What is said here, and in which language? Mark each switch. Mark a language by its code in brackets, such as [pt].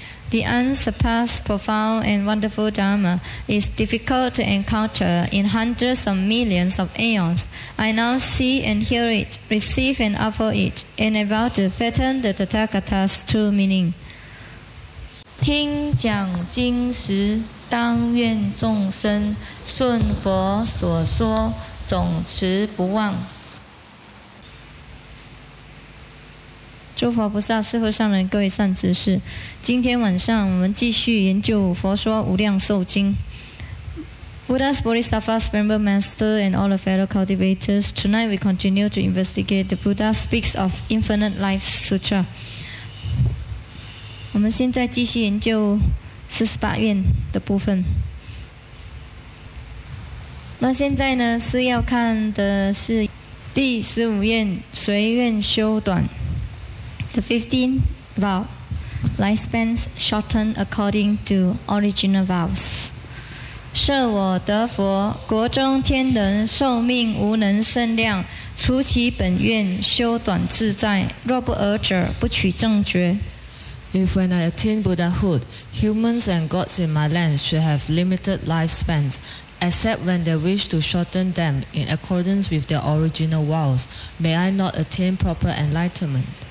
[en] The unsurpassed, profound, and wonderful Dharma is difficult to encounter in hundreds of millions of aeons. I now see and hear it, receive and offer it, and about to fathom the Tathagata's true meaning. [zh] 听讲经时，当愿众生顺佛所说，总持不忘。诸佛菩萨、师父、上人、各位善知识，今天晚上我们继续研究《佛说无量寿经》。 [en] Buddhas, Bodhisattvas, Venerable Master, and all the fellow cultivators, tonight we continue to investigate the Buddha speaks of Infinite Life Sutra. [zh] 我们现在继续研究四十八愿的部分。那现在呢，是要看的是第十五愿，随愿修短。 [en] The 15th vow, lifespans shortened according to original vows. [zh] 设我得佛，国中天人寿命无能胜量，除其本愿，修短自在。若不尔者，不取正觉。 [en] If when I attain Buddhahood, humans and gods in my land should have limited lifespans, except when they wish to shorten them in accordance with their original vows, may I not attain proper enlightenment?